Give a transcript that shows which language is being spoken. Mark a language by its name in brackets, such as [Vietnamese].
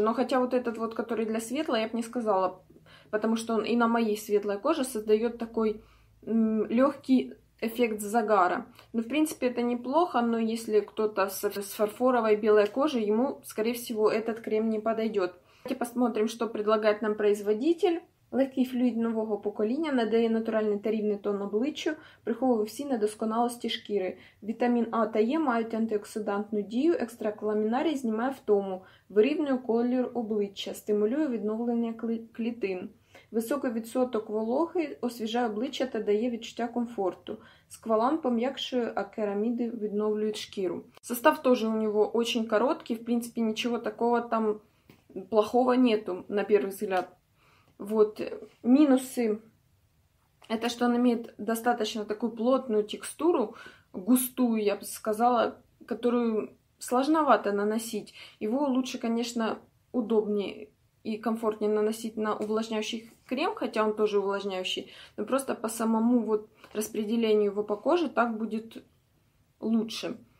[Russian] Но хотя вот этот вот, который для светлой, я бы не сказала, потому что он и на моей светлой коже создает такой легкий эффект загара. Ну, в принципе, это неплохо, но если кто-то с фарфоровой белой кожей, ему, скорее всего, этот крем не подойдет. Давайте посмотрим, что предлагает нам производитель. [Ukrainian] Легкий флюид нового покоління надає натуральний та рівний тон обличчю, приховує всі недосконалості шкіри. Вітамін А та Е мають антиоксидантну дію, екстракт ламінарій знімає втому, вирівнює колір обличчя, стимулює відновлення клітин. Високий відсоток вологи освіжає обличчя та дає відчуття комфорту. Сквалан пом'якшує, а кераміди відновлюють шкіру. Состав теж у нього дуже короткий, в принципі, нічого такого там плохого нету, на перший взгляд. [Russian] Вот, минусы, это что он имеет достаточно такую плотную текстуру, густую, я бы сказала, которую сложновато наносить. Его лучше, конечно, удобнее и комфортнее наносить на увлажняющий крем, хотя он тоже увлажняющий, но просто по самому вот распределению его по коже так будет лучше.